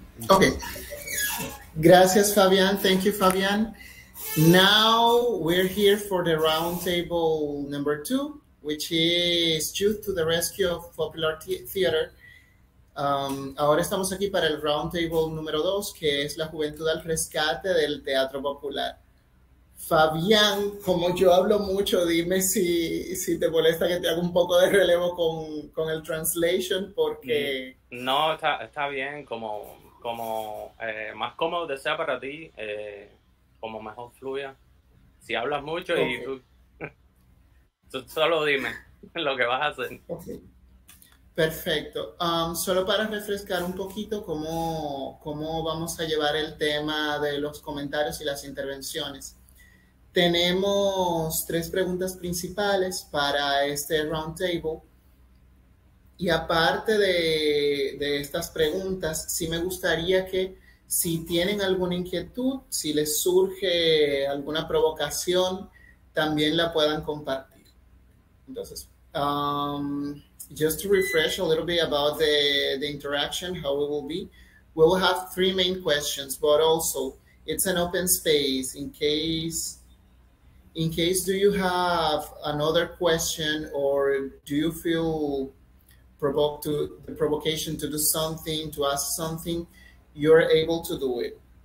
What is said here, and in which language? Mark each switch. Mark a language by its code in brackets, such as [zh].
[es] Okay. Gracias, Fabian. [en] Thank you, Fabian. Now we're here for the roundtable number two, which is Youth to the Rescue of Popular Theater. [es] Ahora estamos aquí para el roundtable número dos, que es la juventud al rescate del teatro popular. Fabian, como yo hablo mucho, dime si te molesta que te haga un poco de relevo con el translation, porque... No, está bien, como más cómodo de sea para ti, como mejor fluya. Si hablas mucho, okay. Y tú solo dime lo que vas a hacer. Okay. Perfecto. Solo para refrescar un poquito cómo vamos a llevar el tema de los comentarios y las intervenciones. Tenemos tres preguntas principales para este roundtable. Y aparte de estas preguntas, sí me gustaría que si tienen alguna inquietud, si les surge alguna provocación, también la puedan compartir. Entonces, [en] just to refresh a little bit about the interaction, how it will be. We will have three main questions, but also it's an open space in case do you have another question or do you feel provocation to do something, to ask something, you're able to do it.